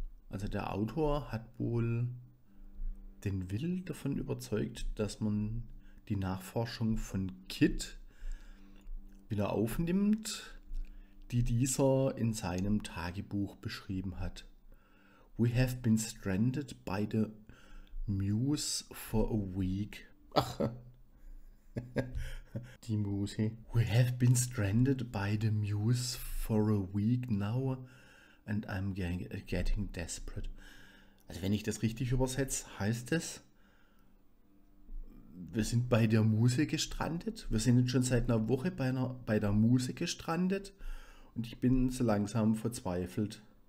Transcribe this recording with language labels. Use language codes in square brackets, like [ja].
[de] Also der Autor hat wohl den Will davon überzeugt, dass man die Nachforschung von Kidd wieder aufnimmt, die dieser in seinem Tagebuch beschrieben hat. [en] We have been stranded by the Muse for a week. Ach. Die Muse. We have been stranded by the Muse for a week now and I'm getting desperate. [de] Also wenn ich das richtig übersetze, heißt es, wir sind bei der Muse gestrandet. Wir sind jetzt schon seit einer Woche bei der Muse gestrandet und ich bin so langsam verzweifelt.